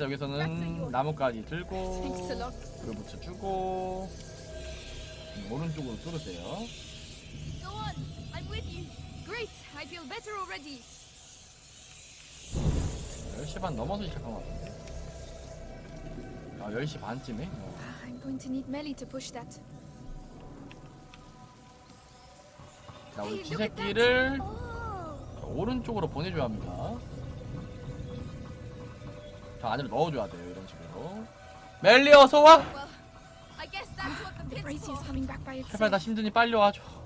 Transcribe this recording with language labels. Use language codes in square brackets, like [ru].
[ko] 여기서는 나뭇가지 들고 그걸 붙여주고 오른쪽으로 뚫으세요. [en] Go on. I'm with you. Great. I feel better already. [ko] 10시 반 넘어서 시작한 것 같은데. 아, 10시 반쯤에. 어. [en] I'm going to need Melly to push that. [ko] 자, 우리 지새끼를 오른쪽으로 보내 줘야 합니다. 저 안으로 넣어 줘야 돼요, 이런 식으로. 멜리 어서 와. [en] I guess that's what the pit's for. Coming back by itself. [ko] 제발 나 힘드니 빨리 와줘.